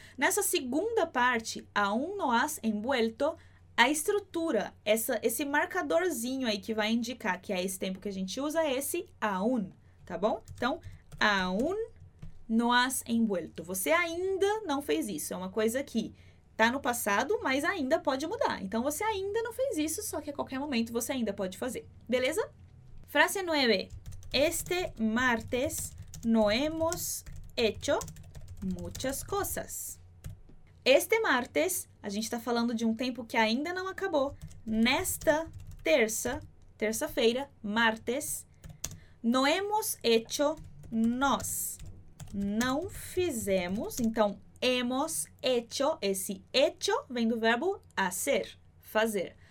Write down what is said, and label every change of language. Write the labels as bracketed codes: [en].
[pt] Nessa segunda parte, [es] aún no has envuelto, [pt] a estrutura, esse marcadorzinho aí que vai indicar que é esse tempo que a gente usa, é esse aún, tá bom? [es] Então, aún no has envuelto. [pt] Você ainda não fez isso, é uma coisa que tá no passado, mas ainda pode mudar. Então, você ainda não fez isso, só que a qualquer momento você ainda pode fazer. Beleza? Frase 9. [es] Este martes no hemos hecho muchas cosas. Este martes, [pt] a gente está falando de um tempo que ainda não acabou. Nesta terça-feira, martes, [es] no hemos hecho, [pt] nós não fizemos. Então, hemos hecho, esse hecho vem do verbo hacer, fazer.